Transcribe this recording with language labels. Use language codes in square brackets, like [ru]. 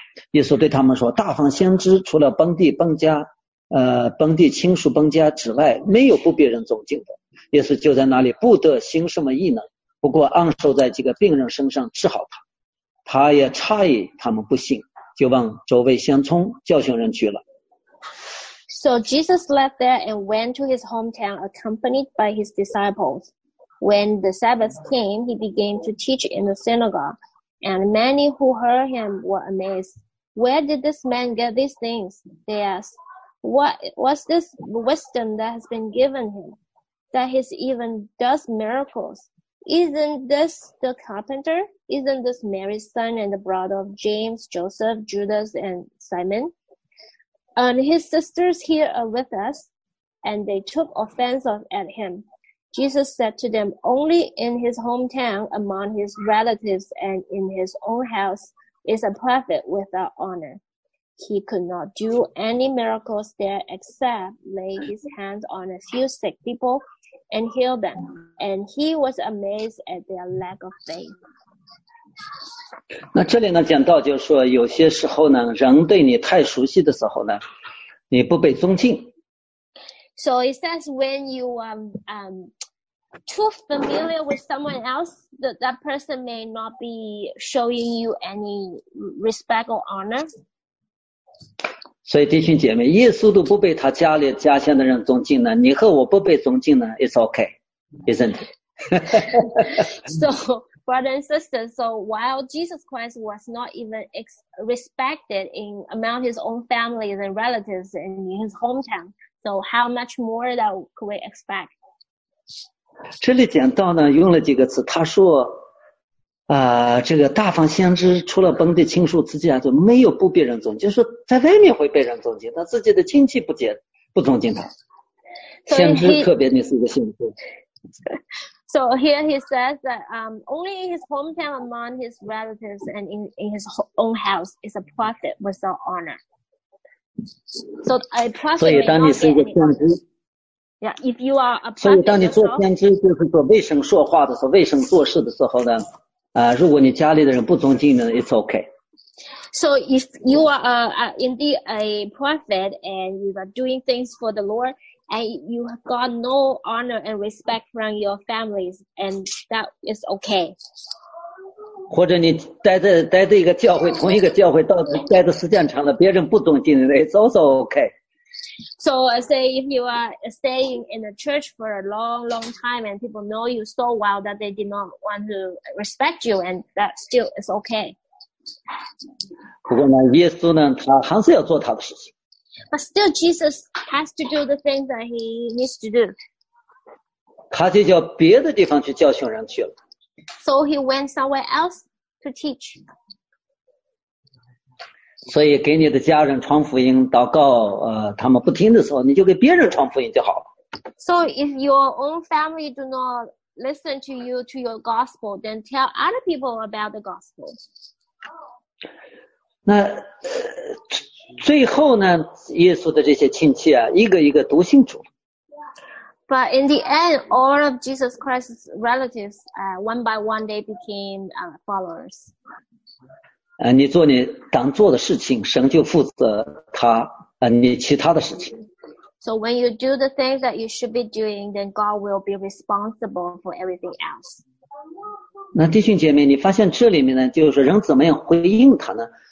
[zh] 耶稣对他们说，大方先知除了本地本家本地亲属本家之外，没有不被人尊敬的。耶稣就在那里不得行什么异能，不过按手在几个病人身上治好他。他也诧异他们不信，就往周围乡村教训人去了。 [en] So Jesus left there and went to his hometown accompanied by his disciples. When the Sabbath came, he began to teach in the synagogue, and many who heard him were amazed. Where did this man get these things? They asked. What's this wisdom that has been given him, that he even does miracles? Isn't this the carpenter? Isn't this Mary's son and the brother of James, Joseph, Judas, and Simon? And his sisters here are with us, and they took offense at him. Jesus said to them, only in his hometown, among his relatives, and in his own house is a prophet without honor. He could not do any miracles there except lay his hands on a few sick people and heal them. And he was amazed at their lack of faith. [zh] 那这里呢讲到就是说，有些时候呢，人对你太熟悉的时候呢，你不被尊敬。 [en] So it says when you are too familiar with someone else, that person may not be showing you any respect or honor. [zh] 所以弟兄姐妹，耶稣都不被他家里家乡的人尊敬呢，你和我不被尊敬呢 ， [en] It's okay, isn't it? So, brothers and sisters, so while Jesus Christ was not even respected in among his own family and relatives in his hometown, so how much more that could we expect? [zh] 这里讲到呢，用了几个词，他说。这个大方先知除了本地亲属之间就没有不被人尊敬，就是在外面会被人尊敬，但自己的亲戚不尊敬他。先知特别的是一个先知。 [en] So here he says that only in his hometown among his relatives and in his own house is a prophet without honor. So a prophet. [zh] 所以当你是一个先知。 [en] Yeah, if you are a prophet. [zh] 所以当你做先知，就是说为神说话的时候，为神做事的时候呢？如果你家里的人不尊敬呢 ， [en] it's okay. So if you are indeed a prophet and you are doing things for the Lord and you have got no honor and respect from your families, and that is okay. [zh] 或者你待在一个教会，同一个教会，到待的时间长了，别人不尊敬你 ， [en] it's also okay. So say if you are staying in a church for a long, long time and people know you so well that they did not want to respect you, and that still is okay. [zh] 不过呢，耶稣呢，他还是要做他的事情。 [en] But still, Jesus has to do the things that he needs to do. [zh] 他就叫别的地方去教训人去了。 [en] So he went somewhere else to teach. [zh] 所以给你的家人传福音祷告他们不听的时候你就给别人传福音就好了。 [en] So if your own family do not listen to you, to your gospel, then tell other people about the gospel. [zh] 那最后呢耶稣的这些亲戚啊一个一个都信主。 [en] But in the end, all of Jesus Christ's relatives, one by one, they became followers. [zh] 你做你当做的事情，神就负责他，你其他的事情。 [en] So when you do the things that you should be doing, then God will be responsible for everything else. [zh] 那弟兄姐妹，你发现这里面呢，就是人怎么样回应他呢？